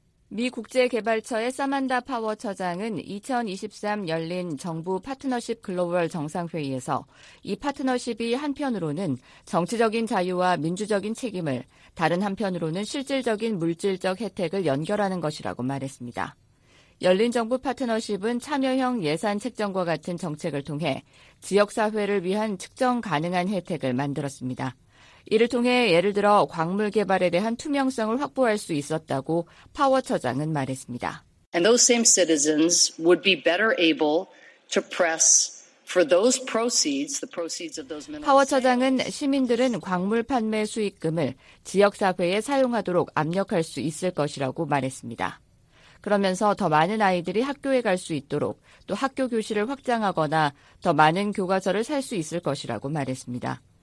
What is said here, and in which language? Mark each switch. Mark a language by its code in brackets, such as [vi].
[ko] 미 국제개발처의 사만다 파워 처장은 2023 열린 정부 파트너십 글로벌 정상회의에서 이 파트너십이 한편으로는 정치적인 자유와 민주적인 책임을, 다른 한편으로는 실질적인 물질적 혜택을 연결하는 것이라고 말했습니다. 열린 정부 파트너십은 참여형 예산 책정과 같은 정책을 통해 지역사회를 위한 측정 가능한 혜택을 만들었습니다. 이를 통해 예를 들어 광물 개발에 대한 투명성을 확보할 수 있었다고 파워 처장은 말했습니다. [en] And those same citizens would be better able to press for those proceeds, the proceeds of those minerals. [ko] 파워 처장은 시민들은 광물 판매 수익금을 지역 사회에 사용하도록 압력할 수 있을 것이라고 말했습니다. 그러면서 더 많은 아이들이 학교에 갈 수 있도록 또 학교 교실을 확장하거나 더 많은 교과서를 살 수 있을 것이라고 말했습니다.